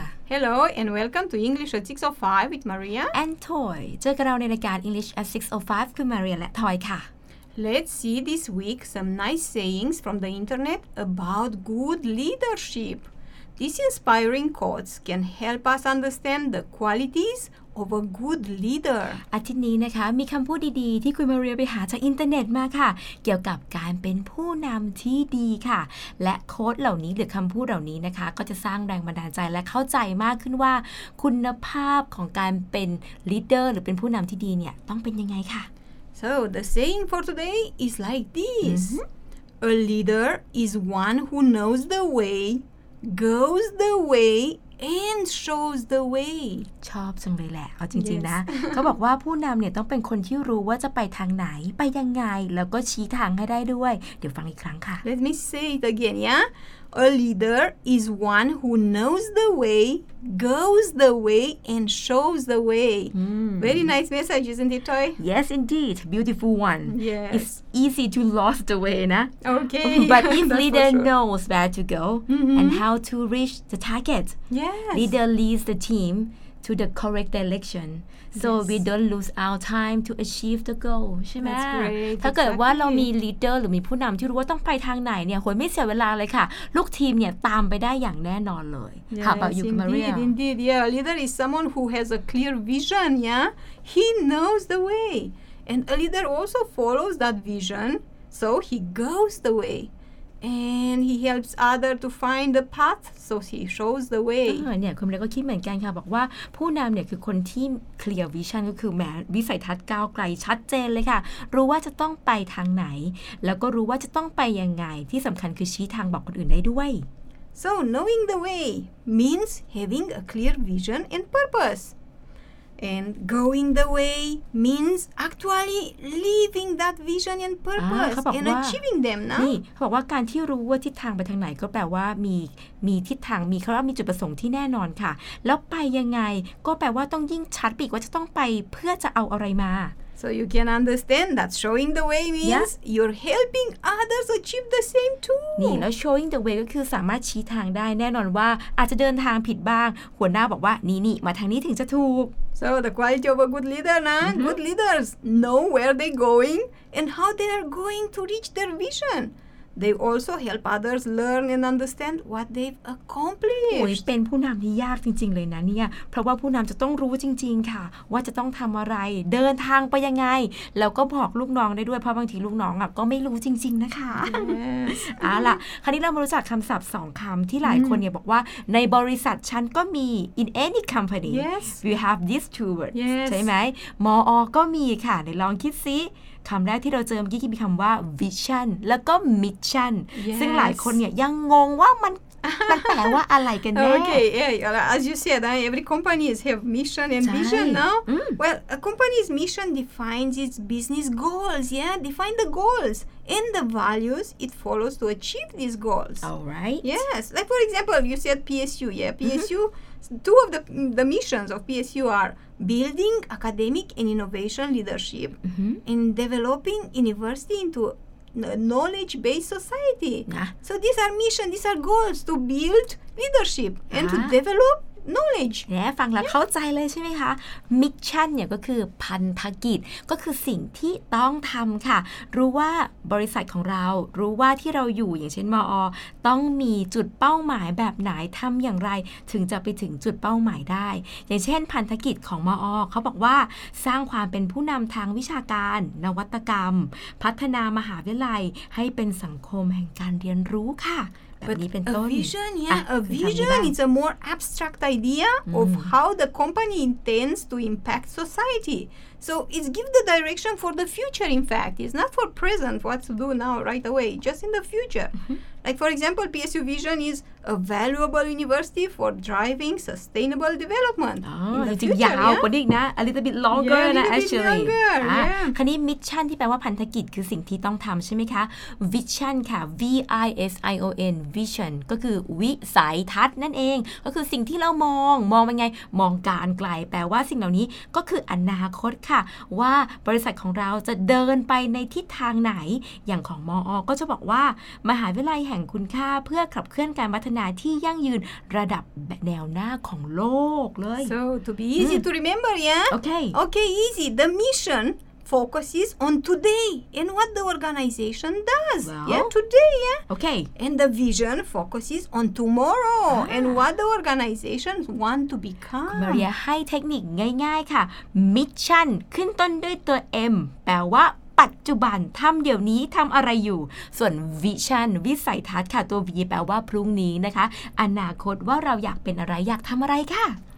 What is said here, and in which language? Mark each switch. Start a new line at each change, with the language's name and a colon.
English: Hello and welcome to English at 6:05 with Maria and Toy.
Thai: เจอกับเราในรายการ English at 6:05 คือ Maria และ Toy ค่ะ
English: Let's see this week some nice sayings from the internet about good leadership. These inspiring quotes can help us understand the qualities of a good leader.
Thai: อาทิตย์นี้นะคะมีคำพูดดีๆที่คุณมาเรียไปหาจากอินเทอร์เน็ตมาค่ะเกี่ยวกับการเป็นผู้นำที่ดีค่ะและโค้ดเหล่านี้หรือคำพูดเหล่านี้นะคะก็จะสร้างแรงบันดาลใจและเข้าใจมากขึ้นว่าคุณภาพของการเป็นลีดเดอร์หรือเป็นผู้นำที่ดีเนี่ยต้องเป็นยังไงค่ะ
English: So the saying for today is like this A leader is one who knows the way goes the wayAnd shows the way.
Thai: ชอบจังเลยแหละเอาจริงๆ นะเขาบอกว่าผู้นำเนี่ยต้องเป็นคนที่รู้ว่าจะไปทางไหนไปยังไงแล้วก็ชี้ทางให้ได้ด้วยเดี๋ยวฟังอีกครั้งค่ะ
English: Let me say it again, yeah? A leader is one who knows the way, goes the way, and shows the way. Very nice message, isn't it, Toy? Yes, indeed. Beautiful one. Yes. It's easy to lose the way, na? Okay. But if leader sure. knows where to go and how to reach the target, yes. leader leads the team to the correct direction. So yes. we don't lose our time to achieve the goal.
Thai: ใช่ไหม
English: That's great.
Thai: ถ้าเกิดว่าเรามี leader หรือมีผู้นำที่รู้ว่าต้องไปทางไหนเนี่ยโหยไม่เสียเวลาเลยค่ะลูกทีมเนี่ยตามไปได้อย่างแน่นอนเลย
English: yes. How about you, Maria? Indeed, indeed. Yeah, leader is someone who has a clear vision, yeah? He knows the way. And a leader also follows that vision, so he goes the way. And he helps other to find the path, so he shows the way.
Thai: เนี่ยคุณเรียกก็คิดเหมือนกันค่ะบอกว่าผู้นำเนี่ยคือคนที่เคลียร์วิชั่นก็คือแม้วิสัยทัศน์ก้าวไกลชัดเจนเลยค่ะรู้ว่าจะต้องไปทางไหนแล้วก็รู้ว่าจะต้องไปยังไงที่สำคัญคือชี้ทางบอกคนอื่นได้ด้วย
English: So knowing the way means having a clear vision and purpose. And going the way means actually leaving that vision and purpose and achieving them นะ
Thai: นี่เขาบอกว่าการที่รู้ว่าทิศทางไปทางไหนก็แปลว่ามีทิศทางมีเขาว่ามีจุดประสงค์ที่แน่นอนค่ะแล้วไปยังไงก็แปลว่าต้องยิ่งชัดปีกว่าจะต้องไปเพื่อจะเอาอะไรมา
English: So you can understand that showing the way means yeah. you're helping others achieve the same too
Thai: นี่แล้ว
English: showing the way
Thai: ก็คือสามารถชี้ทางได้แน่นอนว่าอาจจะเดินทางผิดบ้างหัวหน้าบอกว่านี่มาทางนี้ถึงจะถูก
English: So the quality of a good leader, nah? Good leaders know where they're going and how they are going to reach their vision. They also help others learn and understand what they've accomplished.
Thai: โอ้ยเป็นผู้นำที่ยากจริงๆเลยนะเนี่ยเพราะว่าผู้นำจะต้องรู้จริงๆค่ะว่าจะต้องทำอะไรเดินทางไปยังไงแล้วก็บอกลูกน้องได้ด้วยเพราะบางทีลูกน้องก็ไม่รู้จริงๆนะคะ
English: yes.
Thai: อ่ะล่ะคราวนี้เรามารู้จักคำศัพท์สองคำที่หลายคนเนี่ยบอกว่าในบริษัทฉันก็มี
English: in any company yes. we have these two words yes.
Thai: ใช่ไหมมอ. ก็มีค่ะเดี๋ยวลองคิดซิคำแรกที่เราเจอเมื่อกี้ที่มีคำว่า vision แล้วก็ mission
English: yes.
Thai: ซึ่งหลายคนเนี่ยยังงงว่ามันแปลว่าอะไรกันแน่
English: Okay, yeah. As you said, every company have mission and vision, no? Well, a company's mission defines its business goals, yeah? Define the goals and the values it follows to achieve these goals. All right. Yes. Like, for example, you said PSU, yeah? PSU, two of the missions of PSU are... Building academic and innovation leadership and developing university into a knowledge-based society. Nah. So these are missions, these are goals to build leadership and to develop knowledge.
Thai: เนี่ยฟังแล้วเข้าใจเลยใช่ไหมคะ Mission เนี่ยก็คือพันธกิจก็คือสิ่งที่ต้องทำค่ะรู้ว่าบริษัทของเรารู้ว่าที่เราอยู่อย่างเช่นมอต้องมีจุดเป้าหมายแบบไหนทำอย่างไรถึงจะไปถึงจุดเป้าหมายได้อย่างเช่นพันธกิจของมอเขาบอกว่าสร้างความเป็นผู้นำทางวิชาการนวัตกรรมพัฒนามหาวิทยาลัยให้เป็นสังคมแห่งการเรียนรู้ค่ะ
English: But a vision, yeah, a vision is a more abstract idea of how the company intends to impact society. So it gives the direction for the future, in fact. It's not for present, what to do now, right away, just in the future. Like, for example, PSU vision is a valuable university for driving sustainable development. Oh,
Thai: จริงยาวกว่านี้นะ
English: a little bit longer yeah, นะ actually. Longer,
Thai: คันนี้ mission ที่แปลว่าพันธกิจคือสิ่งที่ต้องทำใช่ไหมคะ vision ค่ะ vision vision ก็คือวิสัยทัศน์นั่นเองก็คือสิ่งที่เรามองเป็นไงมองการไกลแปลว่าสิ่งเหล่านี้ก็คืออนาคต ค่ะว่าบริษัทของเราจะเดินไปในทิศทางไหนอย่างของมอ.ก็จะบอกว่ามหาวิทยาลัยแห่งคุณค่าเพื่อขับเคลื่อนการพัฒนาที่ยั่งยืนระดับแนวหน้าของโลกเลย
English: So to be easy to remember yeah Okay Okay easy the missionfocuses on today and what the organization does well, yeah today yeah okay and the vision focuses on tomorrow and what the organization want to become
Thai: Maria ให้เทคนิคง่ายๆค่ะ mission ขึ้นต้นด้วยตัว M แปลว่าปัจจุบันทำเดี๋ยวนี้ทำอะไรอยู่ส่วน vision วิสัยทัศน์ค่ะตัว V แปลว่าพรุ่งนี้นะคะอนาคตว่าเราอยากเป็นอะไรอยากทำอะไรค่ะ